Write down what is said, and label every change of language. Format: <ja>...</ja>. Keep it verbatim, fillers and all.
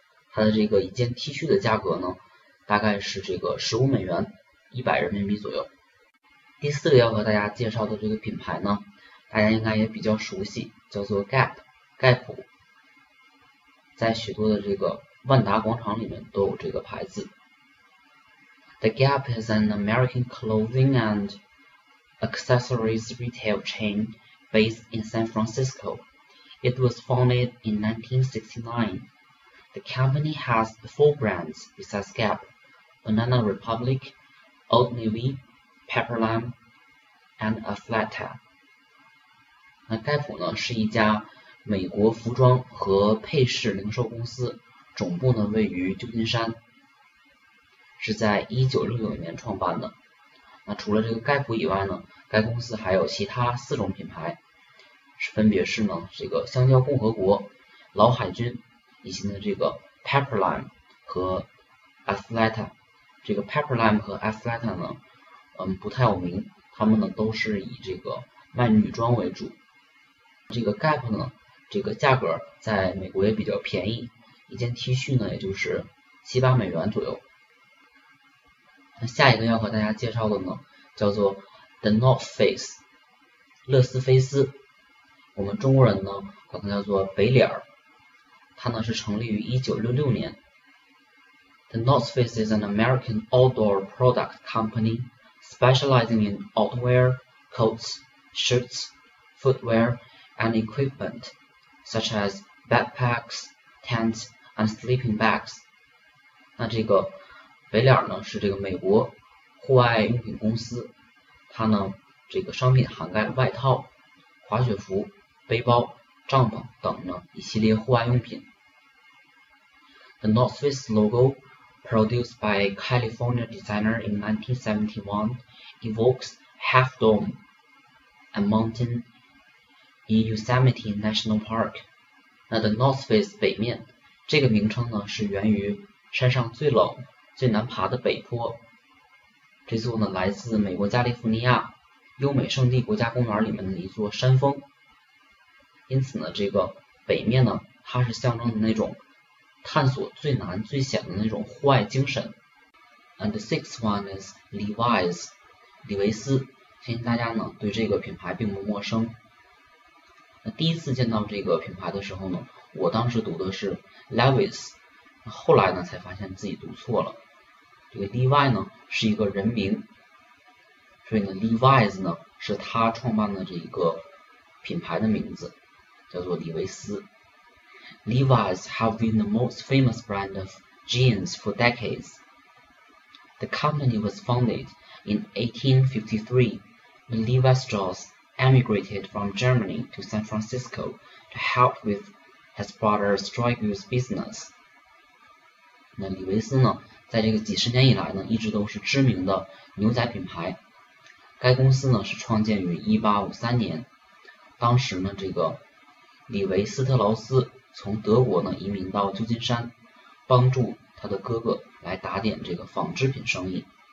<zh>它的这个一件 T 恤的价格呢大概是这个十五美元，一百人民币左右。第四个要和大家介绍的这个品牌呢大家应该也比较熟悉，叫做 Gap 盖普，在许多的这个万达广场里面都有这个牌子。</zh> <en>The Gap is an American clothing and accessories retail chain based in San Francisco. It was founded in nineteen sixty-nine. The company has four brands besides Gap: Banana Republic, Old Navy, Pearland, and Athleta.</en> <zh>那盖普呢是一家美国服装和配饰零售公司，总部呢位于旧金山，是在一九六九年创办的。那除了这个盖普以外呢，该公司还有其他四种品牌，分别是呢这个香蕉共和国、老海军以及呢这个 Pearland 和 Athleta 这个 Pepperlime 和 Athleta 呢，嗯，不太有名，他们呢都是以这个卖女装为主。这个 Gap 呢，这个价格在美国也比较便宜，一件 T 恤呢也就是七八美元左右。那下一个要和大家介绍的呢，叫做 The North Face， 乐斯菲斯，我们中国人呢管它叫做北脸儿。它呢是成立于一九六六年。</zh> <en>The North Face is an American outdoor product company specializing in outwear, coats, shirts, footwear, and equipment such as backpacks, tents, and sleeping bags。</en> <zh>那这个北脸呢是这个美国户外用品公司，它呢这个商品涵盖外套、滑雪服、背包、帐篷等呢一系列户外用品。</zh> <en>The North Face logo, produced by a California designer in nineteen seventy-one, evokes Half Dome, a mountain in Yosemite National Park。</en> <zh>那 The North Face 北面这个名称呢是源于山上最冷最难爬的北坡，这座呢来自美国加利福尼亚优美圣地国家公园里面的一座山峰。因此呢这个北面呢它是象征的那种探索最难最险的那种户外精神。</zh> <en>And the sixth one is</en> <zh>Levi's， 李维斯，相信大家呢对这个品牌并不陌生。那第一次见到这个品牌的时候呢，我当时读的是 Levi's， 后来呢才发现自己读错了。这个 Levi 呢是一个人名，所以呢 Levi's 呢是他创办的这一个品牌的名字，叫做李维斯。</zh> <en>Levi's have been the most famous brand of jeans for decades. The company was founded in eighteen fifty-three when Levi Strauss emigrated from Germany to San Francisco to help with his brother's dry goods business.</en> <zh>那李维斯呢，在这个几十年以来呢，一直都是知名的牛仔品牌。该公司呢是创建于一八五三年，当时呢，这个李维斯特劳斯从德国呢移民到旧金山，帮助他的哥哥来打点这个纺织品生意。</zh>